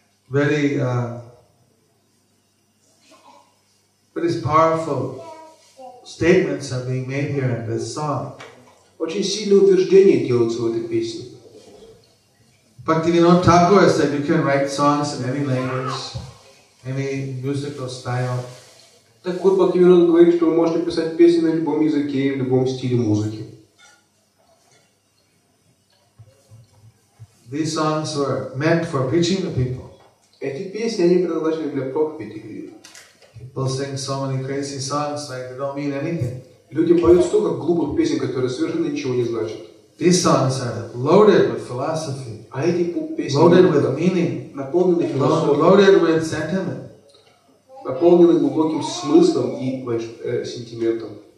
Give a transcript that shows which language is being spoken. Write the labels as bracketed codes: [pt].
[en] Very, but it's powerful statements are being made here in this song. [ru] Очень сильные утверждения делаются в этой песне. [en] Bhaktivinoda Thakur said you can write songs in any language, any musical style. [ru] Так вот, Бхактивинода говорит, что вы можете писать песни на любом языке и в любом стиле музыки. [en] These songs were meant for preaching to people. [ru] Эти песни, они предназначены для проповеди. [en] People sing so many crazy songs like they don't mean anything. [ru] Люди поют столько глупых песен, которые совершенно ничего не значат. [en] These songs are loaded with philosophy. [ru] А эти песни [en] loaded with meaning. [ru] Наполнены философией. [en] Loaded with sentiment. [ru] Наполнены глубоким смыслом и сентиментом.